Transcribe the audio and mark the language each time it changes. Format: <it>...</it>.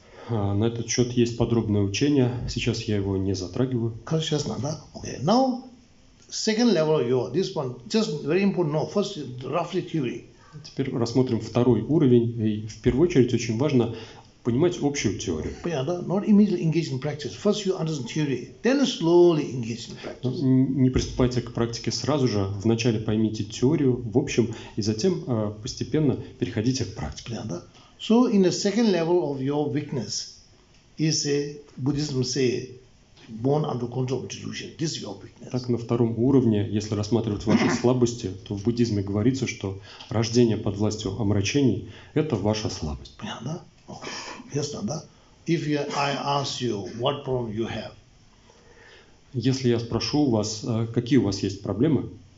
<ru>На этот счет есть подробное учение. Сейчас я его не затрагиваю. Хорошо, ясно, да? Окей.</ru> <en>Okay. Now, second level of yoga. This one, just very important. No, first, roughly theory.</en> <ru>Теперь рассмотрим второй уровень. И в первую очередь очень важно понимать общую теорию. Понятно?</ru> <en>Not immediately engage in practice. First you understand theory, then slowly engage in practice.</en> <ru>Не приступайте к практике сразу же. Вначале поймите теорию в общем, и затем постепенно переходите к практике. Понятно?</ru> <en>So in the second level of your weakness, is a Buddhism say, born under control of delusion. This is your weakness.</en> <ru>Так, на втором уровне, если рассматривать ваши слабости, то в буддизме говорится, что рождение под властью омрачений – это ваша слабость. Понятно, да? Okay. Ясно, да?</ru> <en>If I ask you, what problem you have?</en> <ru>Если я спрошу у вас, какие у вас есть проблемы?</ru>